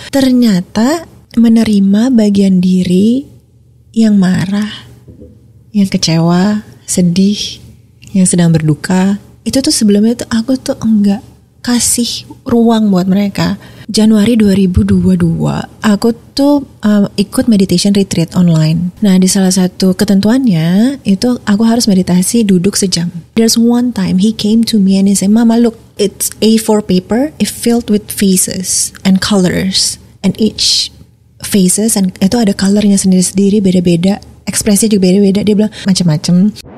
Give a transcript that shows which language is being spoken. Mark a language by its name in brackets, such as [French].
[Indonesian] Ternyata menerima bagian diri yang marah, yang kecewa, sedih, yang sedang berduka, itu tuh sebelumnya tuh aku tuh enggak kasih ruang buat mereka. Januari 2022, aku tuh ikut [English] meditation retreat online. [Indonesian] Nah, di salah satu ketentuannya, itu aku harus meditasi duduk sejam. [English] There's one time he came to me and he said, "Mama, look, it's A4 paper, it filled with faces and colors. And each faces, and [Indonesian] itu ada colornya sendiri-sendiri, beda-beda. Ekspresinya juga beda-beda." Dia bilang, macam-macam.